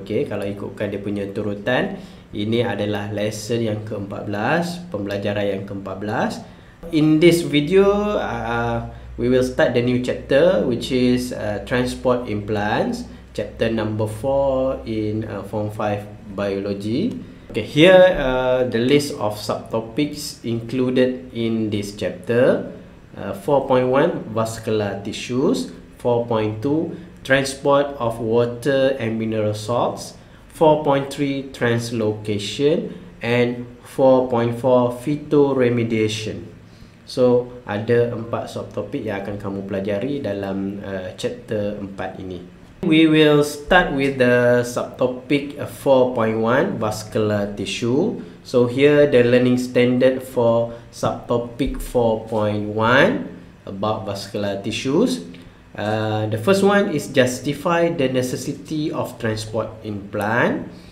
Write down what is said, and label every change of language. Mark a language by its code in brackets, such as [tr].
[ms] Okay, kalau ikutkan dia punya turutan, ini adalah lesson yang ke-14, pembelajaran yang ke-14. [en] In this video, we will start the new chapter, which is transport in plants, chapter number 4 in form 5 biology. Okay, here the list of subtopics included in this chapter. 4.1 vascular tissues, 4.2 transport of water and mineral salts, 4.3 translocation, and 4.4 phytoremediation. [ms] So ada 4 subtopic yang akan kamu pelajari dalam chapter 4 ini. [en] We will start with the subtopic 4.1 vascular tissue. So here the learning standard for subtopic 4.1 about vascular tissues. The first one is justify the necessity of transport in plant.